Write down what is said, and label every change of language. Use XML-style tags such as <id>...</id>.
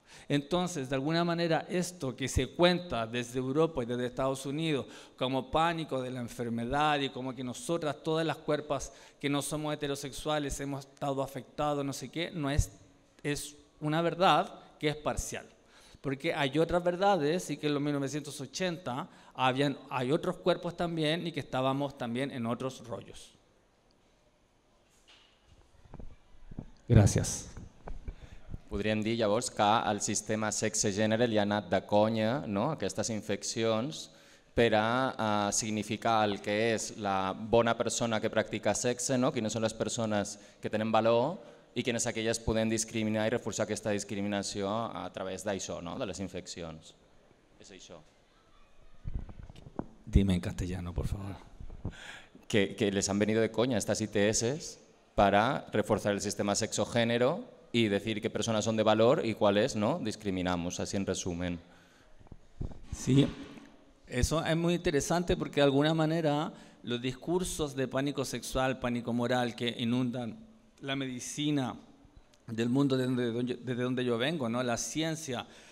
<es>Entonces, de alguna manera, esto que se cuenta desde Europa y desde Estados Unidos como pánico de la enfermedad y como que nosotras, todas las cuerpas que no somos heterosexuales, hemos estado afectados, no sé qué, no es una verdad que es parcial. Porque hay otras verdades y que en los 1980 hay otros cuerpos también y que estábamos también en otros rollos. Gracias.</es> <ca>Podríem dir llavors que el sistema sexe-gènere li ha anat de conya, no?, aquestes infeccions, per a significar el que és la bona persona que practica sexe, no?, quines són les persones que tenen valor i quines aquelles podem discriminar i reforçar aquesta discriminació a través d'això, no?, de les infeccions. És això.</ca> <es>Dime en castellano, por favor. Que les han venido de conya estas ITS</es> <ca>per a reforçar el sistema sexo-gènere</ca> <es>y decir qué personas son de valor y cuáles no discriminamos, así en resumen. Sí, eso es muy interesante porque de alguna manera los discursos de pánico sexual, pánico moral que inundan la medicina del mundo desde donde yo vengo, ¿no?, la ciencia,</es>